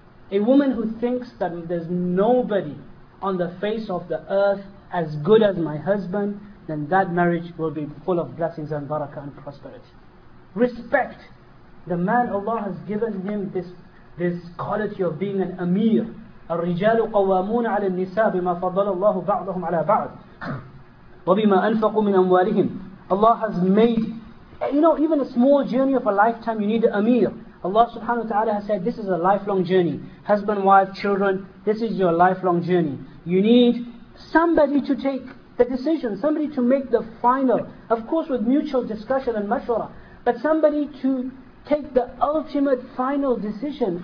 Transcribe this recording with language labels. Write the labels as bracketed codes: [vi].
[en] A woman who thinks that there's nobody on the face of the earth as good as my husband, then that marriage will be full of blessings and barakah and prosperity. Respect. The man, Allah has given him this quality of being an amir. [ar] الرجال قوامون على النساء بما فضل الله بعضهم على بعض وبما أنفقوا من أموالهم. [en] Allah has made, you know, even a small journey of a lifetime, you need an amir. Allah subhanahu wa ta'ala has said, this is a lifelong journey. Husband, wife, children, this is your lifelong journey. You need somebody to take the decision, somebody to make the final, of course with mutual discussion and mashwara, but somebody to take the ultimate final decision.